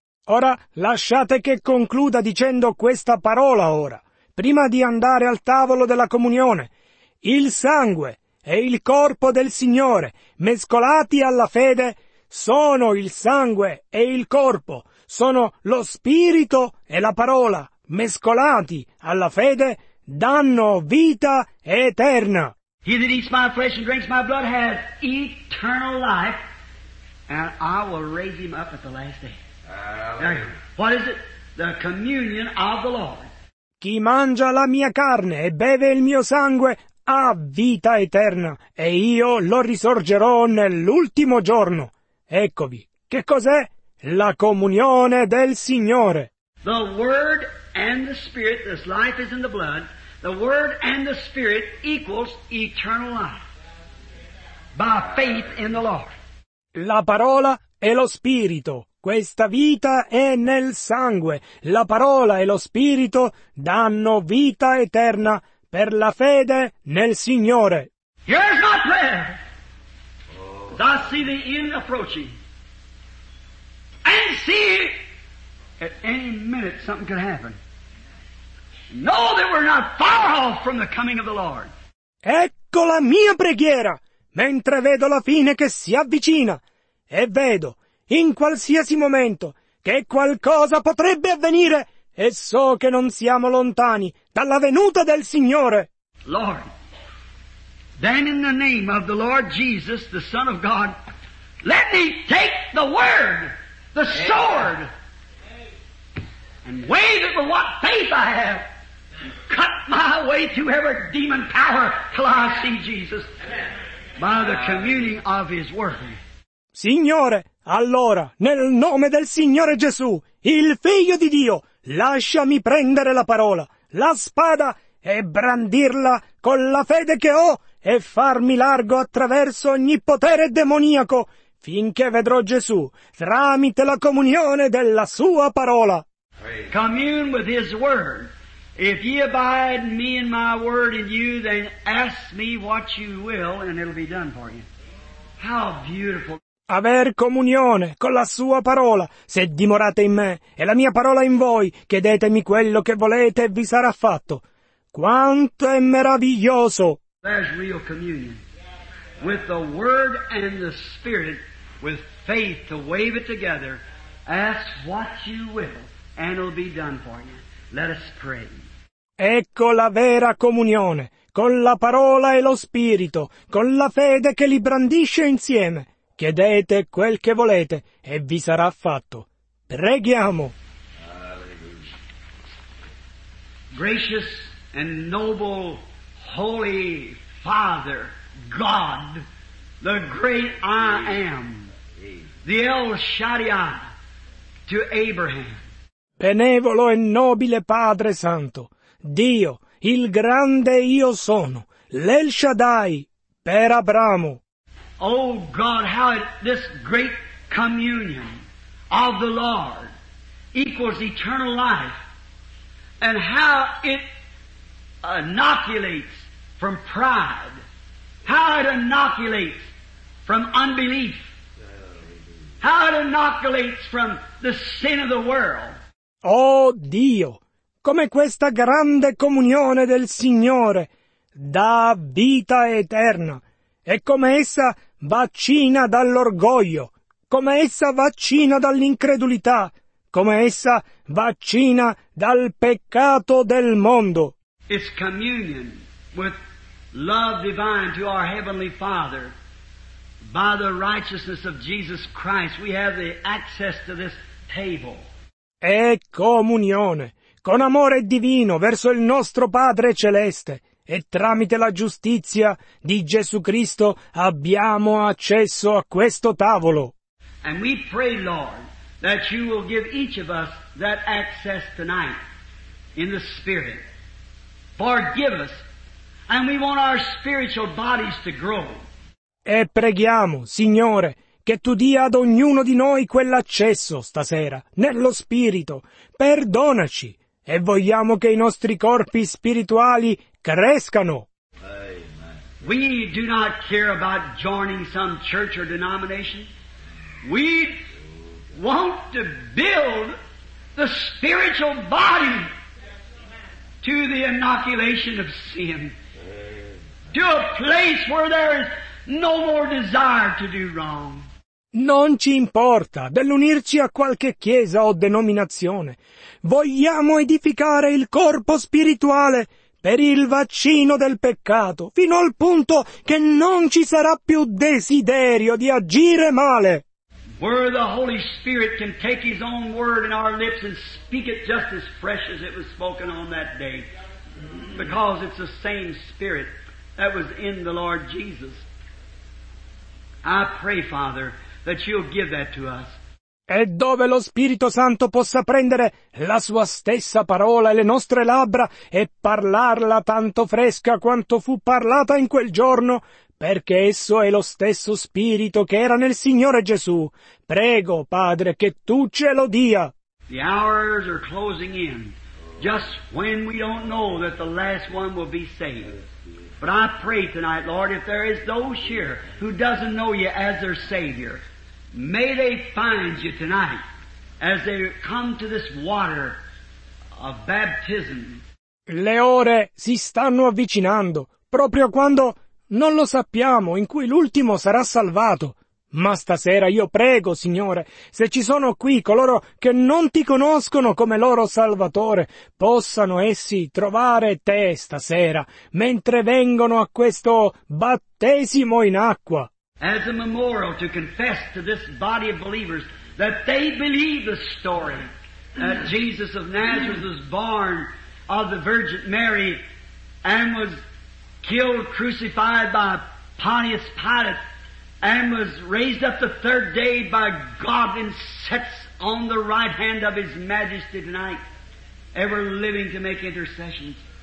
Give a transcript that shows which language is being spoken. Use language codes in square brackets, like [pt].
[it] Ora, lasciate che concluda dicendo questa parola ora, prima di andare al tavolo della comunione. Il sangue e il corpo del Signore, mescolati alla fede, sono il sangue e il corpo, sono lo spirito e la parola, mescolati alla fede, danno vita eterna. [en] He that eats my flesh and drinks my blood has eternal life, and I will raise him up at the last day. What is it? The communion of the Lord. [it] Chi mangia la mia carne e beve il mio sangue ha vita eterna, e io lo risorgerò nell'ultimo giorno. Eccovi, che cos'è? La comunione del Signore. [en] The word and the spirit, this life is in the blood, the word and the spirit equals eternal life. By faith in the Lord. [it] La parola e lo spirito, questa vita è nel sangue. La parola e lo spirito danno vita eterna per la fede nel Signore. [en] Here's my prayer. I see the end approaching. And see, at any minute something could happen. Know that we're not far off from the coming of the Lord. [it] Ecco la mia preghiera, mentre vedo la fine che si avvicina. E vedo, in qualsiasi momento, che qualcosa potrebbe avvenire. E so che non siamo lontani dalla venuta del Signore. [en] Lord. Then in the name of the Lord Jesus, the Son of God, let me take the word, the sword, and wave it with what faith I have, cut my way through every demon power till I see Jesus by the communing of His word. [it] Signore, allora, nel nome del Signore Gesù, il Figlio di Dio, lasciami prendere la parola, la spada, e brandirla con la fede che ho, e farmi largo attraverso ogni potere demoniaco, finché vedrò Gesù, tramite la comunione della Sua parola. [en] Commune with His Word. If ye abide me in my Word in you, then ask me what you will, and it'll be done for you. How beautiful. [it] Aver comunione con la Sua parola. Se dimorate in me, e la mia parola in voi, chiedetemi quello che volete e vi sarà fatto. Quanto è meraviglioso! [en] There's real communion with the Word and the Spirit, with faith to wave it together Ask what you will, and it'll be done for you. Let us pray. [it] Ecco la vera comunione, con la parola e lo spirito, con la fede che li brandisce insieme. Chiedete quel che volete, e vi sarà fatto. Preghiamo. [en] Gracious and noble, holy Father, God, the great I Am, the El Shaddai to Abraham. [it] Benevolo e nobile Padre Santo, Dio, il grande Io Sono, l'El Shaddai per Abramo. [en] Oh God, how this great communion of the Lord equals eternal life. And how it inoculates from pride. How it inoculates from unbelief. How it inoculates from the sin of the world. [it] Oh Dio, come questa grande comunione del Signore dà vita eterna, e come essa vaccina dall'orgoglio, come essa vaccina dall'incredulità, come essa vaccina dal peccato del mondo. [en] It's communion with love divine to our Heavenly Father. By the righteousness of Jesus Christ, we have the access to this table. [it] È comunione con amore divino verso il nostro Padre Celeste, e tramite la giustizia di Gesù Cristo abbiamo accesso a questo tavolo. [en] And we pray, Lord, that you will give each of us that access tonight in the Spirit. Forgive us, and we want our spiritual bodies to grow. [it] E preghiamo, Signore, che tu dia ad ognuno di noi quell'accesso stasera, nello Spirito. Perdonaci, e vogliamo che i nostri corpi spirituali crescano. [en] We do not care about joining some church or denomination. We want to build the spiritual body to the inoculation of sin, to a place where there is no more desire to do wrong. [it] Non ci importa dell'unirci a qualche chiesa o denominazione. Vogliamo edificare il corpo spirituale per il vaccino del peccato, fino al punto che non ci sarà più desiderio di agire male. [en] Where the Holy Spirit can take His own word in our lips and speak it just as fresh as it was spoken on that day. Because it's the same Spirit that was in the Lord Jesus. I pray, Father, that you'll give that to us. [it] E dove lo Spirito Santo possa prendere la sua stessa parola e le nostre labbra e parlarla tanto fresca quanto fu parlata in quel giorno, perché esso è lo stesso Spirito che era nel Signore Gesù. Prego, Padre, che tu ce lo dia. [en] The hours are closing in, just when we don't know that the last one will be saved. But I pray tonight, Lord, if there is those here who doesn't know you as their Savior, may they find you tonight as they come to this water of baptism. [it] Le ore si stanno avvicinando, proprio quando non lo sappiamo, in cui l'ultimo sarà salvato. Ma stasera io prego, Signore, se ci sono qui coloro che non ti conoscono come loro Salvatore, possano essi trovare te stasera, mentre vengono a questo battesimo in acqua. [en] As a memorial to confess to this body of believers that they believe the story that Jesus of Nazareth was born of the Virgin Mary and was killed, crucified by Pontius Pilate, and was raised up the third day by God and sits on the right hand of His Majesty tonight, ever living to make intercessions.